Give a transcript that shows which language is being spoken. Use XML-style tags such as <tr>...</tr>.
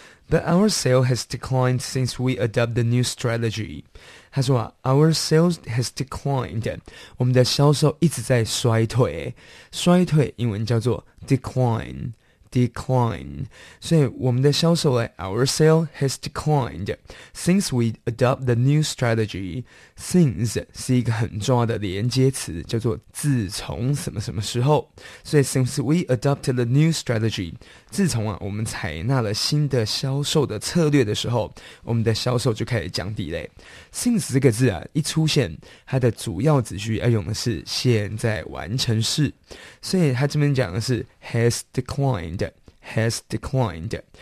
<en>But our sale has declined since we adopted the new strategy.</en> <zh>他说啊</zh> <en>,our sales has declined.</en> <zh>我们的销售一直在衰退。衰退英文叫做 decline, decline. 所以我们的销售啊</zh> <en>,our sale has declined since we adopted the new strategy.</en> <zh>Since 是一个很重要的连接词叫做自从什么什么时候。所以</zh> <en>since we adopted the new strategy,</en> <zh>自从啊，我们采纳了新的销售的策略的时候，我们的销售就开始降低嘞。 Since 这个字啊，一出现，它的主要子句要用的是现在完成式，所以它这边讲的是</zh> <en>has declined, has declined。</en>